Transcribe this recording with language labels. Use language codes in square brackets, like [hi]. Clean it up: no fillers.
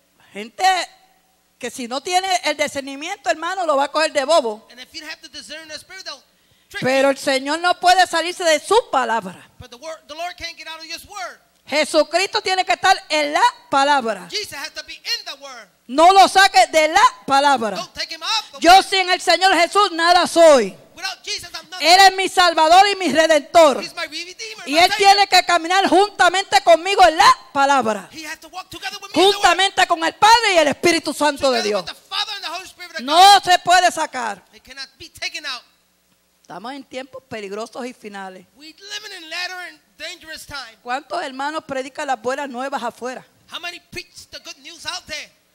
[es] Gente que si no tiene el discernimiento, hermano, lo va a coger de bobo. [en] And if you have to discern the spirit, they'll trick. [es] Pero el Señor no puede salirse de su palabra. [en] But the Lord can't get out of his word. [es] Jesucristo tiene que estar en la palabra. [en] Jesus has to be in the word. [es] No lo saque de la palabra. [en] Don't take him off the [es] yo word. Sin el Señor Jesús nada soy. [en] Without Jesus, I'm nothing. [es] Él es mi Salvador y mi Redentor. [en] He's my Redeemer, [es] y Él tiene que caminar juntamente conmigo en la palabra. [en] He has to walk together with me [es] juntamente [en] in the word. [es] Con el Padre y el Espíritu Santo [en] together [es] de Dios. [en] With the Father and the Holy Spirit of God. [es] No se puede sacar. [en] It cannot be taken out. [es] Estamos en tiempos peligrosos y finales. [en] We live in latter and dangerous time. [es] ¿Cuántos hermanos predican las buenas nuevas afuera? [en] How many preach the good news out there?